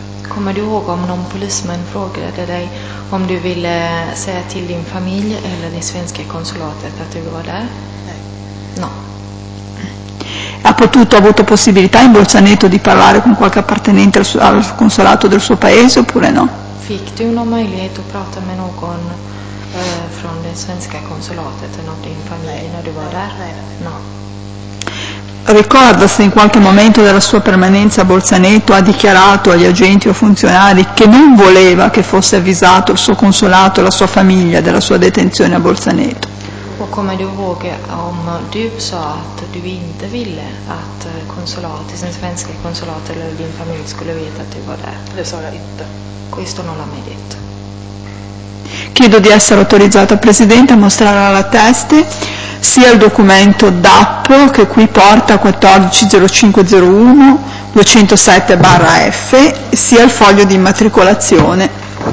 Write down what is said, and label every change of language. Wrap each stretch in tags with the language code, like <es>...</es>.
<sv>Come du ihåg om någon polisman frågade dig om du ville säga till din familj eller det svenska konsulatet att du var där?</sv> <it>No. Ha avuto possibilità in Bolzaneto di parlare con qualche appartenente al consolato del suo paese oppure no?</it> <sv>Fick du någon möjlighet att prata med någon från det svenska konsulatet eller din familj när du var där?</sv> <it>No. Ricorda se in qualche momento della sua permanenza a Bolzaneto ha dichiarato agli agenti o funzionari che non voleva che fosse avvisato il suo consolato e la sua famiglia della sua detenzione a Bolzaneto?</it> <sv>Och kommer du ihåg om du sa att du inte ville att konsulatet, den svenska konsulatet eller din familj skulle veta att du var där? Det sa jag inte.</sv> <it>Questo non l'ha mai detto. Chiedo di essere autorizzata, Presidente, a mostrare alla teste sia il documento DAP che qui porta 140501-207-F, sia il foglio di immatricolazione.</it>